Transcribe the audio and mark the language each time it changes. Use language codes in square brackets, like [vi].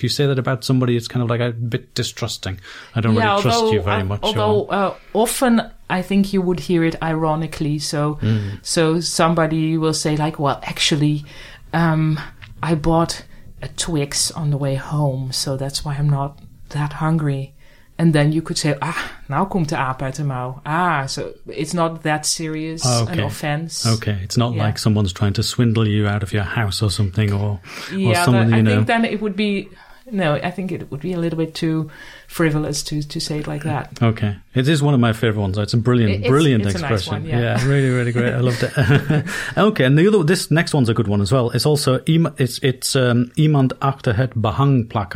[en] If you say that about somebody, it's kind of like a bit distrusting. I don't really trust you very much. Although often... I think you would hear it ironically. So somebody will say like, well, actually, I bought a Twix on the way home, so that's why I'm not that hungry. And then you could say, ah, [nl] nou komt de aap uit de mouw. [en] Ah, so it's not that serious an offense. Okay, it's not like someone's trying to swindle you out of your house or something. I think it would be a little bit too frivolous to say it like that. Okay. It is one of my favorite ones. It's a brilliant expression. It's a nice one, yeah, really, really great. I loved it. Okay, and this next one's a good one as well. It's also, [nl] iemand achter het behang plakken.